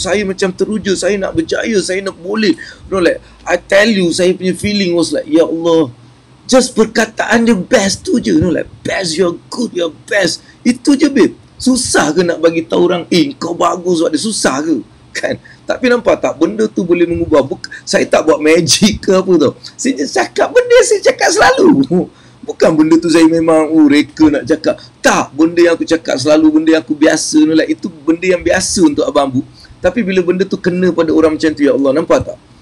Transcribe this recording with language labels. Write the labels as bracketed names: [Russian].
[Malay] Saya macam teruja, saya nak berjaya, saya nak boleh. [English] You know like, I tell you, [Malay] saya punya [English] feeling was like, ya Allah, just [Malay] perkataan dia best tu je. [English] You know like, best, you're good, you're best. [Malay] Itu je, babe. Susah ke nak bagi tahu orang, kau bagus buat dia? Susah ke? Kan? Tapi nampak tak, benda tu boleh mengubah. Saya tak buat magic ke apa tau. Saya cakap benda saya cakap selalu. Bukan benda tu saya memang reka nak cakap. Tak, benda yang aku cakap selalu, benda yang aku biasa ni lah. Itu benda yang biasa untuk abang Bu. Tapi bila benda tu kena pada orang macam tu, ya Allah, nampak tak?